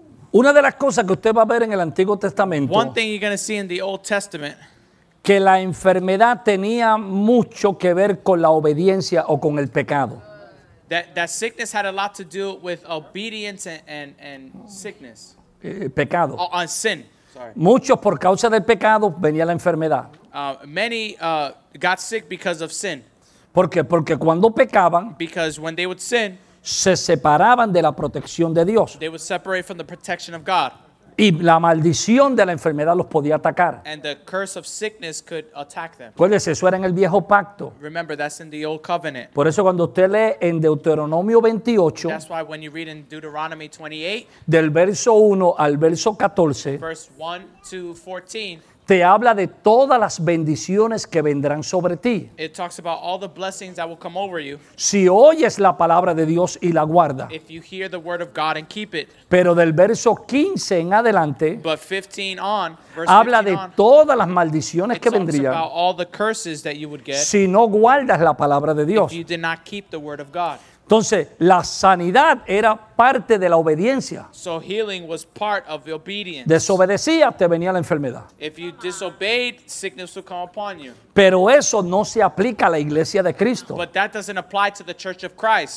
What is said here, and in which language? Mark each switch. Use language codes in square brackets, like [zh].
[es] Una de las cosas que usted va a ver en el Antiguo Testamento, [en] one thing you're going to see in the Old Testament, [es] que la enfermedad tenía mucho que ver con la obediencia o con el pecado. [en] That sickness had a lot to do with obedience and sickness. [es] Pecado. [en] On sin. Sorry. [es] Muchos por causa del pecado venía la enfermedad. [en] Many got sick because of sin. [es] ¿Por qué? Porque cuando pecaban, [en] because when they would sin, [es] se separaban de la protección de Dios. [en] They would separate from the protection of God. [es] Y la maldición de la enfermedad los podía atacar. [en] And the curse of sickness could attack them. [es] Pues eso era en el viejo pacto. [en] Remember, that's in the old covenant. [es] Por eso cuando usted lee en Deuteronomio 28, [en] that's why when you read in Deuteronomy 28, [es] del verso 1 al verso 14, [en] verse 1 to 14, [es] te habla de todas las bendiciones que vendrán sobre ti. [en] It talks about all the blessings that will come over you. [es] Si oyes la palabra de Dios y la guarda. [en] If you hear the word of God and keep it. [es] Pero del verso 15 en adelante, [en] but 15 on, verse [es] habla [en] 15 [es] de [en] on, [es] todas las maldiciones que vendrían. [en] It talks about all the curses that you would get. [es] Si no guardas la palabra de Dios. [en] If you did not keep the word of God. [es] Entonces, la sanidad era parte de la obediencia. [en] So healing was part of the obedience. [es] Desobedecía, te venía la enfermedad. [en] If you disobeyed, sickness would come upon you. [es] Pero eso no se aplica a la iglesia de Cristo. [en] But that doesn't apply to the church of Christ.